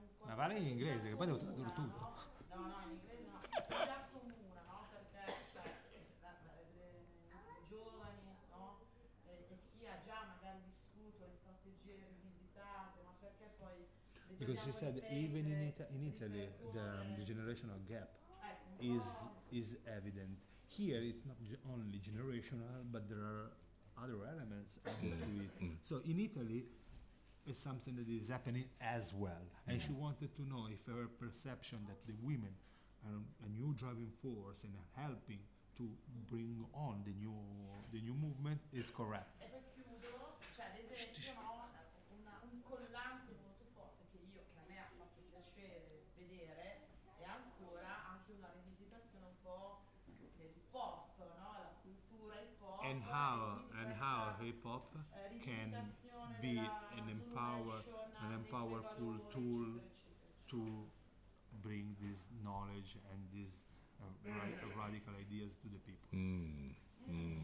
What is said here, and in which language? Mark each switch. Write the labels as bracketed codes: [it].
[it] Ma vale in inglese, che poi devo tradurre tutto. No, in inglese no. Già comune, no? Perché giovani, no? E chi ha già magari vissuto le strategie rivisitate, ma perché poi... [en] Because she said, even in Italy, the generational gap is evident. Here, it's not only generational, but there are other elements added to it. So, in Italy, is something that is happening as well. And she wanted to know if her perception that the women are a new driving force and are helping to bring on the new movement is correct. [it] E poi chiudo, cioè ad esempio un collante molto forte che io, che a me ha fatto piacere vedere, è ancora anche una rivisitazione un po' del porto, no? La cultura, il porto. [en] And how hip hop can be an empowerful tool to bring this knowledge and these radical ideas to the people.